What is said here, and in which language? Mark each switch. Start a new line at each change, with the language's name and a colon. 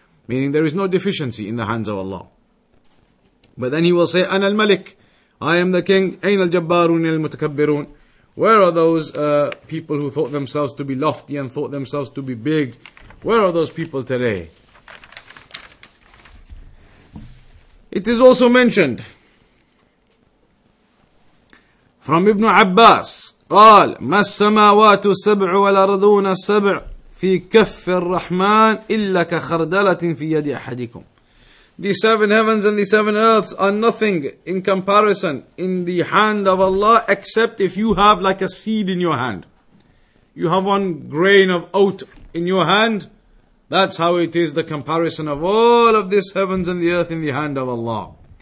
English: Meaning there is no deficiency in the hands of Allah. But then he will say,
Arabic: أَنَا الْمَلِكِ.
English: I am the king.
Arabic: أَيْنَ الْجَبَّارُونَ الْمُتَكَبِّرُونَ.
English: Where are those people who thought themselves to be lofty and thought themselves to be big? Where are those people today? It is also mentioned from Ibn Abbas,
Arabic: قال ما السماوات السبع والأرضون السبع في كف الرحمن إلا كخردلة في يد أحدكم.
English: The seven heavens and the seven earths are nothing in comparison in the hand of Allah except if you have like a seed in your hand. You have one grain of oat in your hand. That's how it is the comparison of all of this heavens and the earth in the hand of Allah.